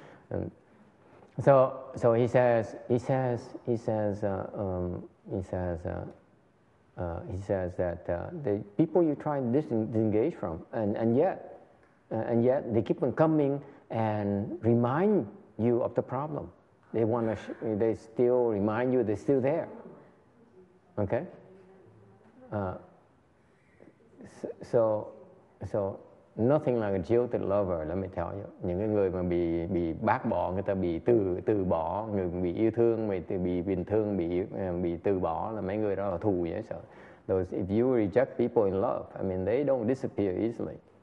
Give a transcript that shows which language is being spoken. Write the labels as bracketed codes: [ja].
[en] And so he says that the people you try to disengage from, and yet they keep on coming and remind you of the problem. They still remind you they're still there. Okay? So nothing like a jilted lover, let me tell you. [vi] Những cái người mà bị bác bỏ, người ta bị từ bỏ, người bị yêu thương, bị bình thương, bị từ bỏ là mấy người đó là thù dễ sợ. [en] Those, if you reject people in love, I mean, they don't disappear easily.